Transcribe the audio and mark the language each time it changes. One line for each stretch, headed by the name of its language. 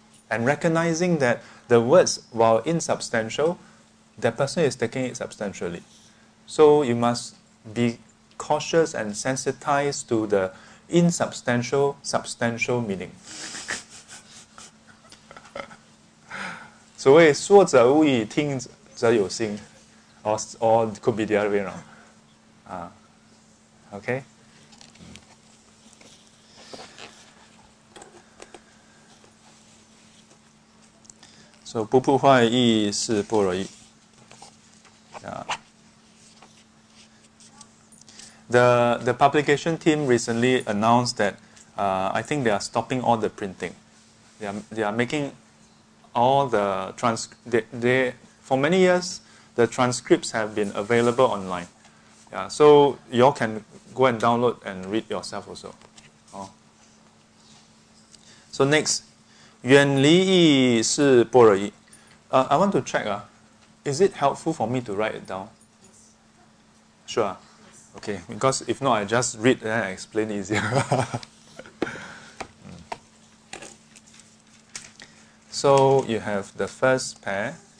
English: And recognizing that the words, while insubstantial, that person is taking it substantially. So you must be cautious and sensitized to the insubstantial, substantial meaning.
Chinese: 所谓说者无意，听者有心。
English: Or could be the other way around. Okay?
Chinese: So, 不破坏意是般若意。
English: The publication team recently announced that I think they are stopping all the printing. They are making all the transcripts. For many years, the transcripts have been available online. Yeah, so you all can go and download and read yourself also. Oh.
Chinese: So next, 远离意是般若意。
English: I want to check, is it helpful for me to write it down? Yes. Sure. Okay, because if not, I just read and I explain easier. So you have the first pair.